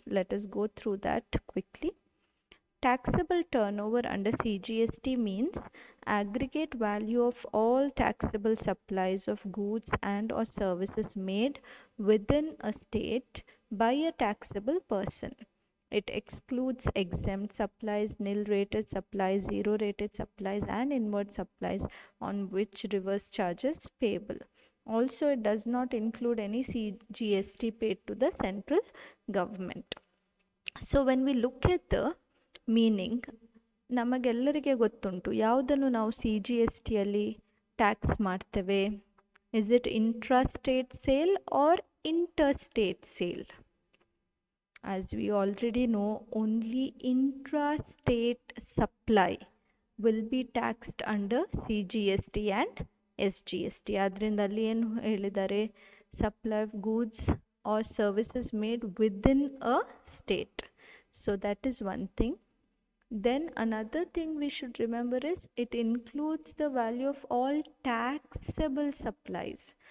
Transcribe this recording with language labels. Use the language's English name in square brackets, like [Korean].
[English] Let us go through that quickly. Taxable turnover under CGST means aggregate value of all taxable supplies of goods and or services made within a state by a taxable person. It excludes exempt supplies, nil rated supplies, zero rated supplies and inward supplies on which reverse charges payable. Also, it does not include any CGST paid to the central government. So when we look at the meaning, [Kannada] ನಮಗೆಲ್ಲರಿಗೆ ಗೊತ್ತುಂಟು ಯಾವುದನ್ನು ನಾವು C G S ಟಿಯಲ್ಲಿ tax ಮಾಡ್ತೇವೆ. [English] Is it intra state sale or inter state sale? As we already know, only intra state supply will be taxed under C G S T and S G S T. [Kannada] ಆದ್ದರಿಂದ ಅಲ್ಲಿ ಏನು ಹೇಳಿದ್ದಾರೆ, [English] Supply of goods or services made within a state. So that is one thing. Then another thing we should remember is it includes the value of all taxable supplies.